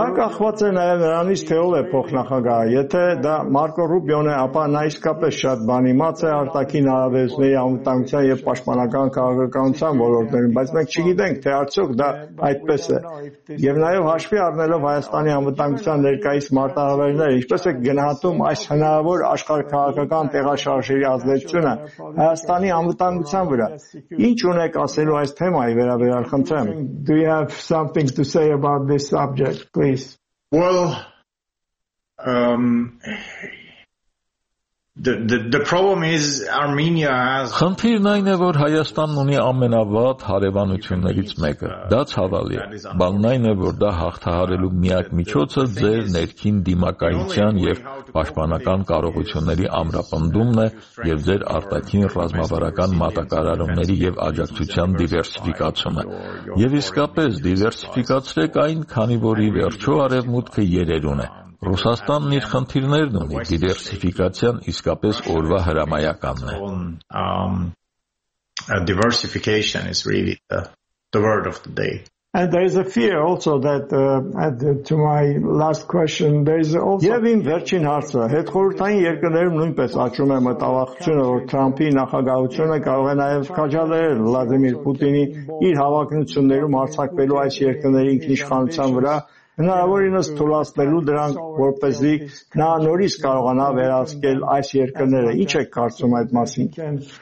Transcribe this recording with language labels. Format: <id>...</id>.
<hy>Դա կախված է նաև նրանից, թե ով է փոխնախագահը։ Եթե դա Մարկո Ռուբիոն է, ապա նա իսկապես շատ բանի մաց է արտաքին հարաբերությունների, անվտանգության և պաշտպանական քաղաքականության ոլորտներում, բայց մենք չգիտենք, թե արդյոք դա այդպես է։ Եվ նաև հաշվի առնելով Հայաստանի անվտանգության ներկայիս մարտահրավերները, ինչպես է գնահատում այս հնարավոր աշխարհքաղաքական տեղաշարժերի ազդեցությունը Հայաստանի անվտանգության վրա։ Ինչ ունեք ասելու այս թեմայի վերաբերյալ, խնդրեմ։</hy> <en>Do you have something to say about this subject, please? Well, the problem is Armenia has...</en> <hy>Խնդիրն այն է, որ Հայաստանն ունի ամենավատ հարևանություններից մեկը, դա ցավալի է, բանն այն է, որ դա հաղթահարելու միակ միջոցը ձեր ներքին դիմակայության և պաշտպանական կարողությունների ամրապնդումն է և ձեր արտաքին ռազմավարական մատակարարումների և աջակցության դիվերսիֆիկացումը։ Եվ իսկապես դիվերսիֆիկացրեք այն, քանի որ ի վերջո արևմուտքը երերուն է։ Ռուսաստանն իր խնդիրներն ունի, դիվերսիֆիկացիան իսկապես օրվա հրամայականն է։</hy> <en>Diversification is really the word of the day. And there is a fear also that to my last question there is also</en> <hy>Եվ ին վերջին հարցը, հետ խորհրդային երկրներում նույնպես աճում է մտավախությունը, որ Թրամփի նախագահությունը կարող է նաև քաջալերել Վլադիմիր Պուտինի իր հավակնություններում արձակվելու այս երկրների ինքնիշխանության վրա, հնարավորինս թուլացնելու դրանք, որպեսզի նա նորից կարողանա վերահսկել այս երկրները։ Ինչ եք կարծում այդ մասին?</hy>